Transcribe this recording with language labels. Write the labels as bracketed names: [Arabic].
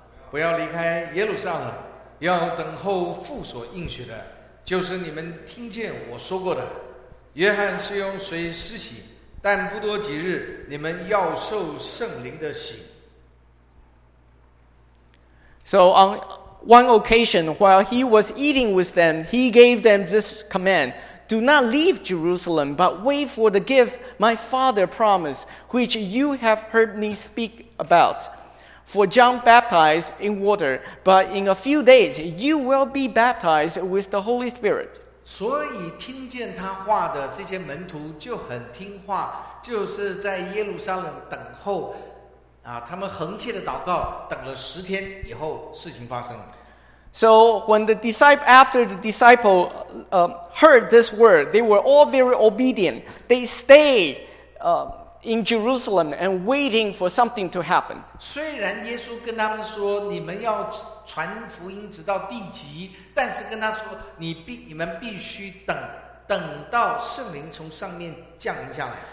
[Chinese] 不要离开耶路撒冷，要等候父所应许的，就是你们听见我说过的。约翰是用水施洗，但不多几日，你们要受圣灵的洗。 [English] So on one occasion, while he was eating with them, he gave them this command. Do not leave Jerusalem, but wait for the gift my father promised, which you have heard me speak about. For John baptized in water, but in a few days you will be baptized with the Holy Spirit. [Chinese] 所以听见他话的这些门徒就很听话，就是在耶路撒冷等候他们恒切的祷告，等了十天以后，事情发生了。 [English] So when the disciple after the disciple heard this word, they were all very obedient. They stayed in Jerusalem and waiting for something to happen. [Chinese] 虽然耶稣跟他们说你们要传福音直到地极，但是跟他说你们必须等到圣灵从上面降临下来。